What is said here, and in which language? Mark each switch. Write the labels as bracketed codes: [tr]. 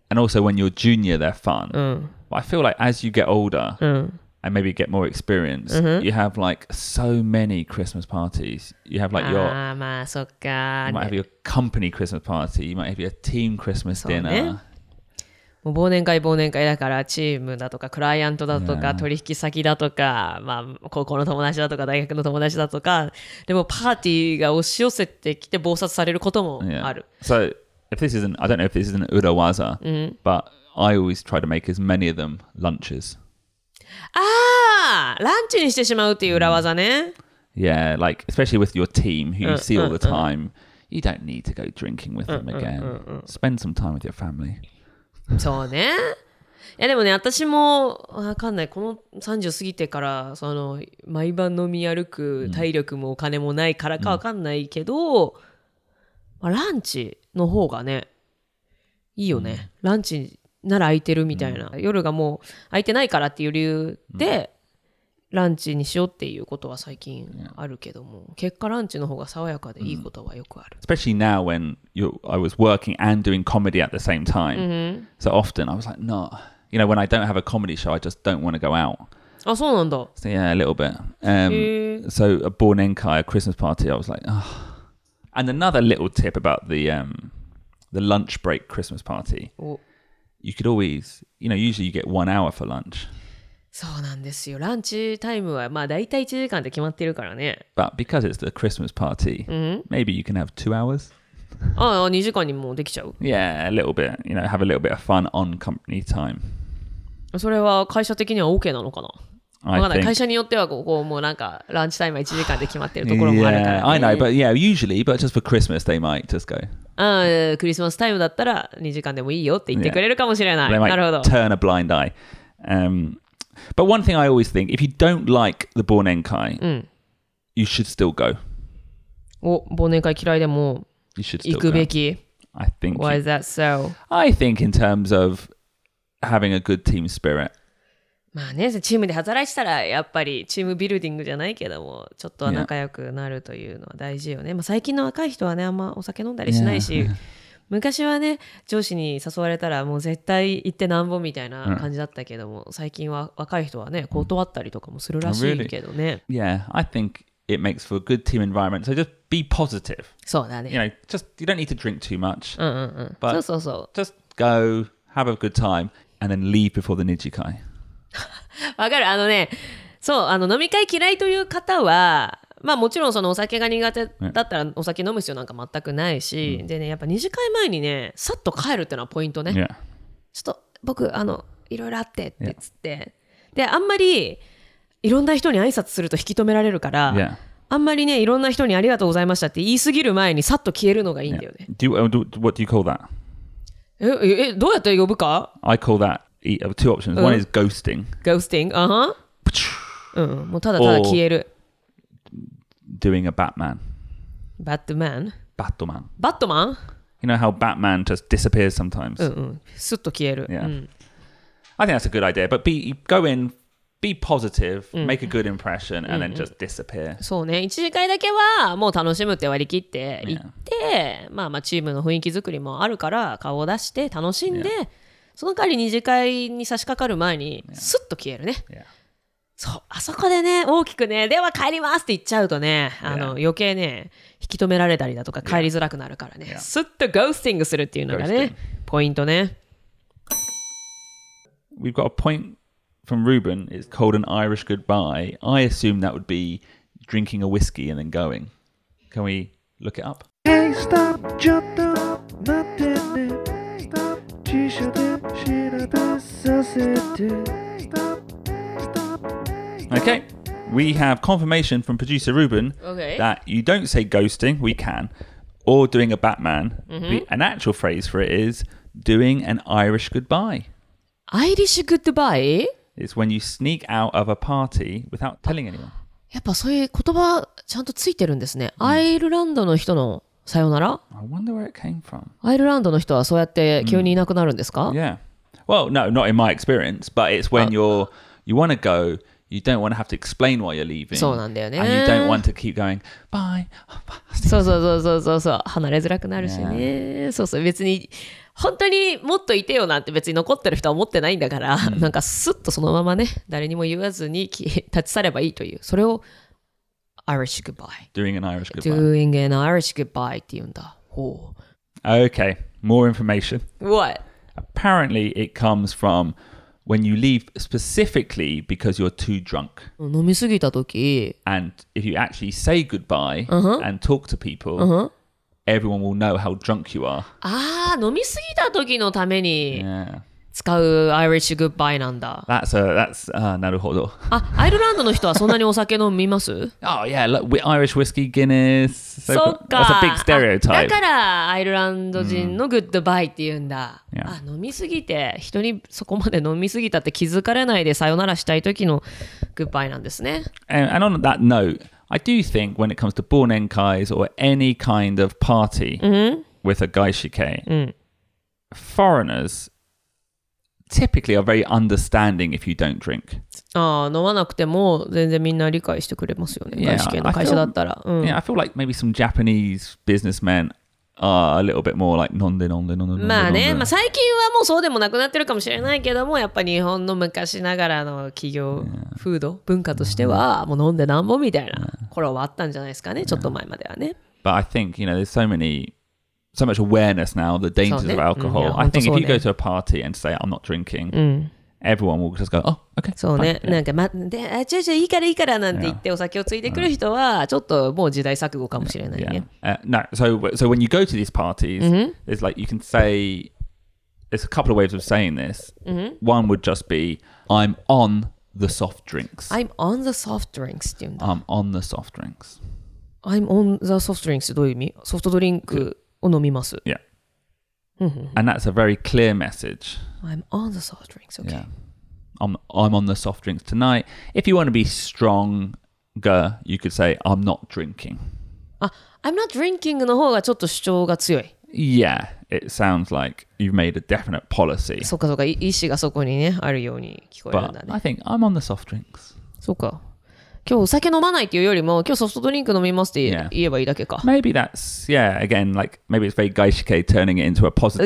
[en] And also when you're junior, they're fun.、 Mm. But I feel like as you get older、 mm. and maybe get more experience,、 mm-hmm. you have like so many Christmas parties. You have like your... [ja] Ah, まあ、そっか。 [en] You might have your company Christmas party. You might have your team Christmas dinner. [ja] もう忘年会忘年会だからチームだとかクライアントだとか、yeah. 取引先だとか、まあ、高校の友達だとか大学の友達だとか。でもパーティーが押し寄せてきて暴殺されることもある。 [en] Yeah. So, if this isn't... I don't know if this is an urawaza,、 mm-hmm. but... I always try to make as many of them lunches. Ah! [ja] Lunch にしてしまうっていう裏技ね。 [en] Yeah, like, especially with your team, who you see all the time, you don't need to go drinking with them again. Spend some time with your family. [ja] そうね。いやでもね、私もわかんない。この30過ぎてから、その毎晩飲み歩く体力もお金もないからかわかんないけど、まあ、ランチの方がね、いいよね。ランチなら空いてるみたいな、mm. 夜がもう空いてないからっていう理由で、mm. ランチにしようっていうことは最近あるけども、yeah. 結果ランチの方が爽やかでいいことはよくある、 mm. [en] Especially now when I was working and doing comedy at the same time、 mm-hmm. So often I was like, no You know, when I don't have a comedy show, I just don't want to go out [ja] あ、そうなんだ [en] So yeah, a little bit、So a 忘年会, a Christmas party, I was like, oh And another little tip about the lunch break Christmas partyYou could always, you know, usually you get 1 hour for lunch. [ja] そうなんですよ。ランチタイムはまあ大体1時間で決まってるからね。 [en] But because it's the Christmas party,、 mm-hmm. maybe you can have 2 hours. [ja] ああ、2時間にもできちゃう。 [en] Yeah, a little bit. You know, have a little bit of fun on company time. [ja] それは会社的には OK なのかな [en] I think... [ja] 会社によってはここもうなんかランチタイムは1時間で決まってるところもあるからね。 [en] Yeah, I know, but yeah, usually, but just for Christmas, they might just go... [ja] クリスマスタイムだったら2時間でもいいよって言ってくれるかもしれない。 Yeah. なるほど。 [en] Turn a blind eye. But one thing I always think, if you don't like the 忘年会, you should still go. [ja] お、忘年会嫌いでも行くべき。 [en] I think Why is that so? I think in terms of having a good team spirit. [ja] まあね、チームで働いてたらやっぱりチームビルディングじゃないけどもちょっとは仲良くなるというのは大事よね。まあ、最近の若い人はね、あんまお酒飲んだりしないし、昔はね、上司に誘われたらもう絶対行ってなんぼみたいな感じだったけども、最近は若い人はね、断ったりとかもするらしいけどね。 [en] Really? Yeah, I think it makes for a good team environment. So just be positive. [ja] そうだね。 [en] You know, just, you don't need to drink too much. [ja] うんうんうん。 [en] But [ja] そうそうそう。 [en] Just go, have a good time, and then leave before the nijikai. [ja] わかる。あのね、そう、あの飲み会嫌いという方は、まあもちろんそのお酒が苦手だったらお酒飲む必要なんか全くないし、でね、やっぱ二次会前にね、さっと帰るっていうのはポイントね。 [en] Yeah. [ja] ちょっと僕、あの、いろいろあってってつって。で、あんまりいろんな人に挨拶すると引き止められるから、 [en] yeah. [ja] あんまりね、いろんな人にありがとうございましたって言いすぎる前にさっと消えるのがいいんだよね。 [en] Yeah. What do you call that? [ja] え、どうやって呼ぶか? [en] I call that two options. One is ghosting. Ghosting? Uh-huh. [ja] うん、もうただただ消える。 [en] Or... Doing a Batman. Batman? Batman. Batman? You know how Batman just disappears sometimes? [ja] すっと消える。 [en] Yeah. I think that's a good idea, but go in, be positive, make a good impression, and then just disappear. [ja] そうね、一時間だけはもう楽しむって割り切って行って、まあまあチームの雰囲気作りもあるから顔を出して楽しんで、その代わり二次会に差し掛かる前にすっと消えるね。そう、あそこでね、大きくね、では帰りますって言っちゃうとね、あの、余計ね、引き止められたりだとか帰りづらくなるからね、すっとゴースティングするっていうのがね、ポイントね。 [en] We've got a point from Ruben. It's called an Irish goodbye. I assume that would be drinking a whiskey and then going. Can we look it up? Hey, stop, [ja] ちょっと待ってね。 [en] Stop, [ja] 辞書で調べさせて。 [en] Okay, we have confirmation from producer Ruben that you don't say ghosting, we can, or doing a Batman. An actual phrase for it is doing an Irish goodbye. Irish goodbye? It's when you sneak out of a party without telling anyone. [ja] やっぱそういう言葉ちゃんとついてるんですね。アイルランドの人のさよなら? [en] I wonder where it came from. [ja] アイルランドの人はそうやって急にいなくなるんですか? [en] Yeah. Well, no, not in my experience, but it's when you want to go... You don't want to have to explain why you're leaving. [ja] そうなんだよね。 [en] And you don't want to keep going, bye. [ja] そうそうそうそうそうそう。離れづらくなるしね。Yeah. そうそう。別に、本当にもっといてよなんて別に残ってる人は思ってないんだから、なんかスッとそのままね、誰にも言わずに立ち去ればいいという。それを [en] Irish goodbye. Doing an Irish goodbye. Doing an Irish goodbye [ja] って言うんだ。ほう。 [en] Okay. More information. What? Apparently, it comes from... When you leave specifically because you're too drunk. [ja] 飲みすぎた時 [en] And if you actually say goodbye and talk to people, everyone will know how drunk you are. [ja] ああ、飲みすぎた時のために、 [en] yeah. [ja] 使う [en] Irish goodbye [ja] なんだ。なるほど。あ、アイルランドの人はそんなにお酒飲みます [en] Oh, yeah, look, Irish whiskey, Guinness. [ja] そっか。 [en] That's a big stereotype. [ja] だからアイルランド人の goodbye って言うんだ。 [en] Yeah. [ja] あ、飲みすぎて、人にそこまで飲みすぎたって気づかれないでさよならしたい時の goodbye なんですね。 [en] And on that note, I do think when it comes to 忘年会 or any kind of party with a 外資系、foreigners typically are very understanding if you don't drink. [ja] ああ、飲まなくても全然みんな理解してくれますよね。外資系の会社だったら。 [en] Yeah, I feel like maybe some Japanese businessmen. A little bit more like [ja] 飲んで飲んで飲んで飲んで。まあね、まあ最近はもうそうでもなくなってるかもしれないけども、やっぱ日本の昔ながらの企業風土、文化としてはもう飲んでなんぼみたいな頃はあったんじゃないですかね、ちょっと前まではね。 [en] But I think, you know, there's so much awareness now, the dangers of alcohol. [ja] そうね。 [en] I think if you go to a party and say, I'm not drinking, everyone will just go, oh, okay. [ja] そうね、なんか、ま、で、あ、ちょいちょい、いいからいいからなんて言ってお酒をついてくる人は、ちょっともう時代錯誤かもしれないね。 [en] No, so when you go to these parties, it's like you can say, there's a couple of ways of saying this. One would just be, I'm on the soft drinks. I'm on the soft drinks [ja] って言うんだ。 [en] I'm on the soft drinks. I'm on the soft drinks [ja] ってどういう意味? ソフトドリンクを飲みます。 [en] Yeah. And that's a very clear message. I'm on the soft drinks, okay. Yeah. I'm on the soft drinks tonight. If you want to be stronger, you could say, I'm not drinking. I'm not drinking [ja] の方がちょっと主張が強い。 [en] Yeah, it sounds like you've made a definite policy. [ja] そうかそうか、意思がそこにね、あるように聞こえるんだね。 [en] But I think I'm on the soft drinks. [ja] そうか。今日お酒飲まないっていうよりも、今日ソフトドリンク飲みますって言えばいいだけか。 [en] Yeah. Maybe that's, yeah, again, like, maybe it's very gaishike turning it into a positive.